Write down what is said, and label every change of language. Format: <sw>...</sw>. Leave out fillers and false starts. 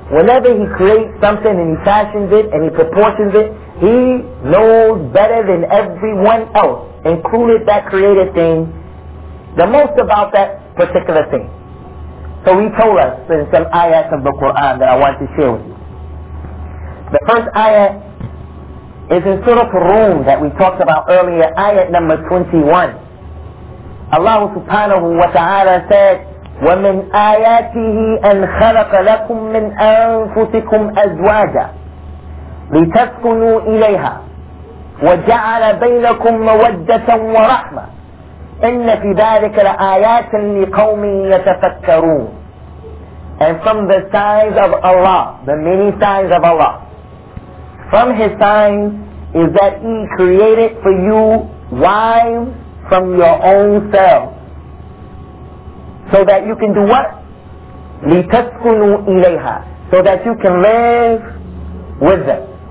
<en>Whenever He creates something and He fashions it and He proportions it, He knows better than everyone else, including that created thing, the most about that particular thing. So He told us in some ayats of the Quran that I want to share with you. The first ayat is in Surah Ar-Rum that we talked about earlier, ayat number 21. Allah subhanahu wa ta'ala said,</en> <ar>وَمِنْ آيَاتِهِ أَنْ خَلَقَ لَكُمْ مِنْ أَنْفُسِكُمْ أَزْوَاجًا لِتَسْكُنُوا إِلَيْهَا وَجَعَلَ بَيْنَكُمْ مَوَدَّةً وَرَحْمَةً إِنَّ فِي ذَلِكَ لَآيَاتٍ لِقَوْمٍ يَتَفَكَّرُونَ.</ar> <en>And from the signs of Allah, the many signs of Allah, from His signs is that He created for you wives from your own self, so that you can do what?</en> <ar>لِتَسْكُنُوا إِلَيْهَا,</ar> <en>so that you can live with them.</en>